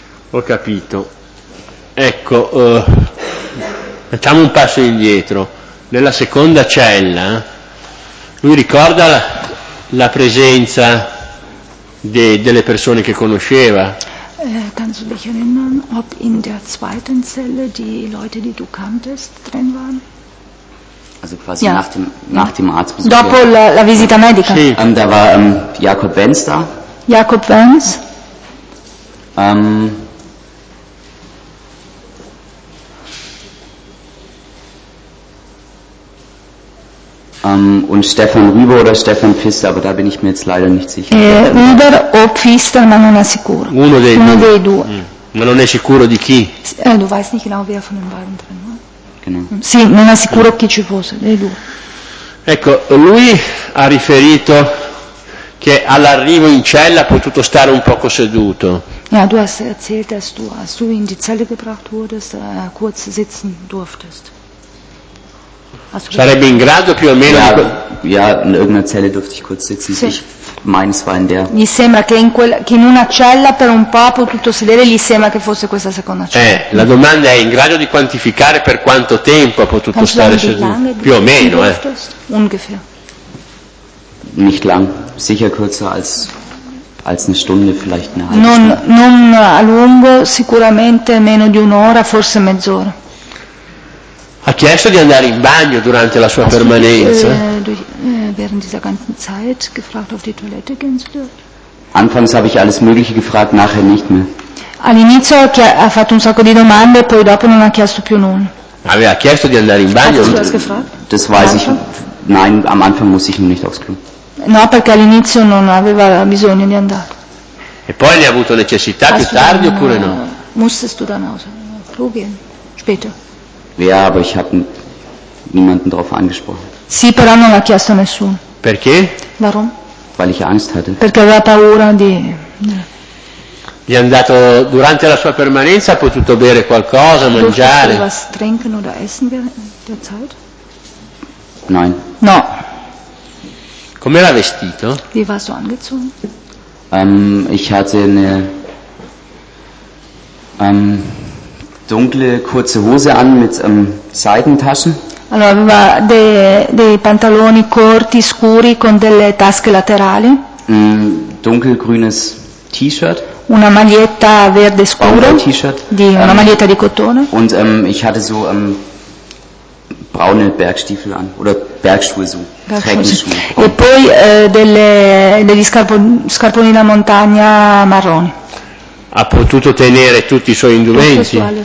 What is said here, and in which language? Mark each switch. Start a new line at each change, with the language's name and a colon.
Italian: Ho capito. Ecco, facciamo un passo indietro. Nella seconda cella, lui ricorda la presenza delle persone che conosceva?
German: Kannst du dich erinnern, ob in der zweiten Zelle die Leute, die du kanntest, drin waren? Also quasi nach dem Arztbesuch.
Italian: Dopo la visita medica.
German: Sì. Da war Jakob Wenz da. Jakob Wenz. Und Stefan Rüber oder Stefan Pfister, aber da bin ich mir jetzt leider nicht sicher.
Italian: Rüber oder Pfister, man non è sicuro. Uno dei Uno due. Dei due. Ma non è sicuro di chi?
German: Du weißt nicht genau, wer von den beiden drin war. Genau.
Italian: Sì, non è sicuro chi ci fosse, dei due. Ecco, lui ha riferito che all'arrivo in cella ha potuto stare un poco seduto.
German: Ja, du hast erzählt, dass du, als du in die Zelle gebracht wurdest, kurz sitzen durftest.
Italian: Sarebbe in grado più o meno
German: in irgendeiner Zelle durfte ich kurz sitzen. Sì. Ich meine, es war in der.
Italian: Mi sembra che in una cella per un po' ha potuto sedere, gli sembra che fosse questa seconda cella. La domanda è in grado di quantificare per quanto tempo ha potuto
German: Kannst
Italian: stare seduto? Più o meno,
German: Ungefähr. Nicht lang, sicher kürzer als eine Stunde, vielleicht eine halbe Stunde.
Italian: Non a lungo, sicuramente meno di un'ora, forse mezz'ora. Ha chiesto di andare in bagno durante la sua permanenza.
German: Während dieser ganzen Zeit gefragt, auf die Toilette gehen zu dürfen. Anfangs habe ich alles Mögliche gefragt, nachher nicht mehr.
Italian: All'inizio ha fatto un sacco di domande, poi dopo non ha chiesto più nulla. Aveva chiesto di andare in bagno.
German: Hast du das gefragt? Das weiß ich. Nein, am Anfang muss ich nicht aufs Klo.
Italian: No, perché all'inizio non aveva bisogno di andare. E poi ne ha avuto necessità più tardi oppure no?
German: Musstest du dann aufs Klo gehen? Später. Ja, aber ich habe niemanden darauf angesprochen.
Italian: Sì, però non l'ha chiesto nessuno. Perché?
German: Warum? Weil ich Angst hatte.
Italian: Perché aveva paura di. Gli è andato durante la sua permanenza ha potuto bere qualcosa, mangiare.
German: Durfte was trinken oder essen während der Zeit? Nein.
Italian: No. Come era vestito?
German: Wie warst du angezogen? Ich hatte eine dunkle kurze Hose an mit Seitentaschen.
Italian: Allora aveva dei pantaloni corti scuri con delle tasche laterali.
German: Dunkelgrünes T-Shirt.
Italian: Una maglietta verde scura.
German: T-Shirt.
Italian: Di una maglietta di cotone.
German: Und ich hatte so braune Bergstiefel an oder Bergschuhe so.
Italian: E poi degli scarponi da montagna marroni. Ha potuto tenere tutti i suoi indumenti.